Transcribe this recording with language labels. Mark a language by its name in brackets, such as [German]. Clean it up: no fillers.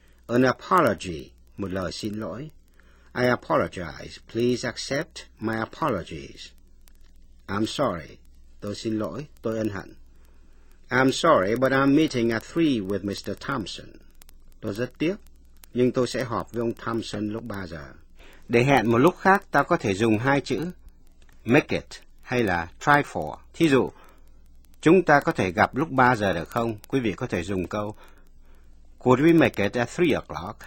[English] An apology, [Vietnamese] một lời xin lỗi. [English] I apologize, please accept my apologies. I'm sorry, [Vietnamese] tôi xin lỗi, tôi ân hận. [English] I'm sorry, but I'm meeting at 3 with Mr. Thompson. [Vietnamese] Tôi rất tiếc, nhưng tôi sẽ họp với ông Thompson lúc 3 giờ. Để hẹn một lúc khác, ta có thể dùng hai chữ make it hay là try for. Thí dụ, chúng ta có thể gặp lúc 3 giờ được không? Quý vị có thể dùng câu [English] could we make it at 3 o'clock?